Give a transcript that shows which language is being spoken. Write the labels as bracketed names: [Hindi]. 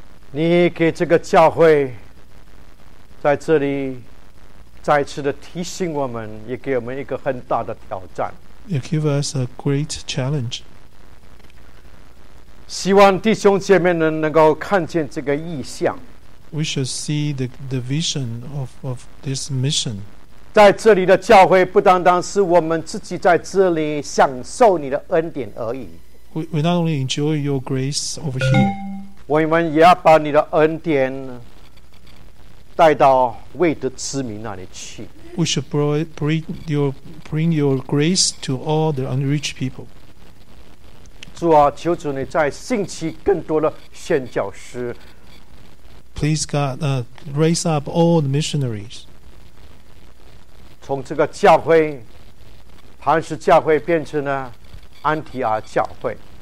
[Chinese] 你给这个教会在这里再次的提醒我们，也给我们一个很大的挑战。 [English] You give us a great challenge. [Chinese] 希望弟兄姐妹们能够看见这个意象。 [English] We should see the vision of this mission. [Chinese] 在这里的教会不单单是我们自己在这里享受你的恩典而已。 [English] We not only enjoy your grace over here. [Chinese] 我们也要把你的恩典带到未得之民那里去。 [English] We should bring your grace to all the unreached people. [Chinese] 主啊，求主你再兴起更多的宣教师。 [English] Please God, raise up all the missionaries. [Chinese] 从这个教会，磐石教会变成了安提阿教会。